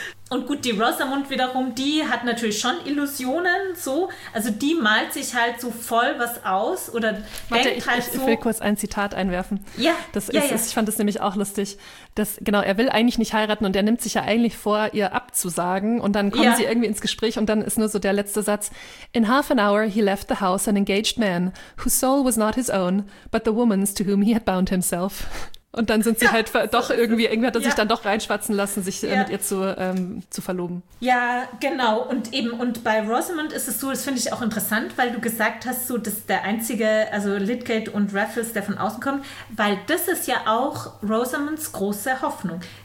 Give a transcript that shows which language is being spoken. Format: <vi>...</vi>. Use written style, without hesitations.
<de>Und gut, die Rosamund wiederum, die hat natürlich schon Illusionen, so. Also die malt sich halt so voll was aus oder Ich will kurz ein Zitat einwerfen. Ja, das ist, ich fand das nämlich auch lustig. Genau, er will eigentlich nicht heiraten und er nimmt sich ja eigentlich vor, ihr abzusagen. Und dann kommen sie irgendwie ins Gespräch und dann ist nur so der letzte Satz.</de> <en>In half an hour he left the house an engaged man, whose soul was not his own, but the woman's to whom he had bound himself.</en> <de>Und dann sind sie irgendwie hat er sich dann doch reinschwatzen lassen, sich mit ihr zu verloben. Ja, genau. Und eben, und bei Rosamund ist es so, das finde ich auch interessant, weil du gesagt hast, so, dass der einzige, also Lydgate und Raffles, der von außen kommt, weil das ist ja auch Rosamunds große Hoffnung.</de>